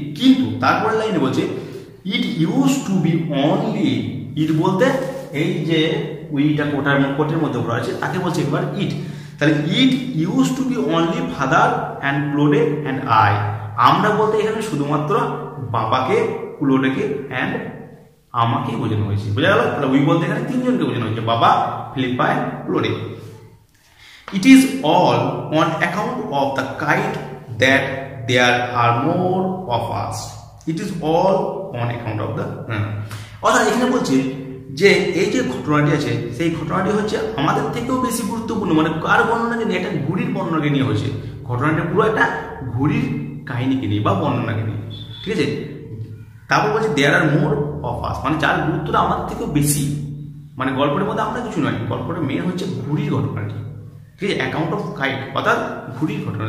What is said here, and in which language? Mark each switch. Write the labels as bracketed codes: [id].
[bn] কিন্তু তারপরের লাইনে বলছে [en] it use to be only, [bn] ইট বলতে এই যে উইটা কোটার কোটের মধ্যে ঘোরা আছে তাকে বলছে এবার ইট, তাহলে [en] it use to be only father and ক্লোডে and I, [bn] আমরা বলতে এখানে শুধুমাত্র বাবাকে ক্লোডেকে অ্যান্ড আমাকেই বোঝানো হয়েছে, বোঝা গেল। তাহলে উই বলতে এখানে তিনজনকে বোঝানো হয়েছে, বাবা Philippa and ক্লোডে। [en] It is all on account of the kite that there are more of us. It is all on account of the [bn] অর্থাৎ এখানে বলছে যে এই যে ঘটনাটি আছে সেই ঘটনাটি হচ্ছে আমাদের থেকেও বেশি গুরুত্বপূর্ণ, মানে কার বর্ণনাকে নিয়ে, এটা ঘুড়ির বর্ণনাকে নিয়ে হয়েছে ঘটনাটা, পুরো একটা ঘুড়ির কাহিনীকে নিয়ে বা বর্ণনাকে নিয়ে, ঠিক আছে। তারপর বলছে [en] there are more of us, [bn] মানে যার গুরুত্বটা আমাদের থেকেও বেশি, মানে গল্পের মধ্যে আমরা কিছু নয়, গল্পটা মেন হচ্ছে ঘুড়ির ঘটনাটি, ঠিক আছে, [en] account of kite [bn] অর্থাৎ ঘুড়ির ঘটনা।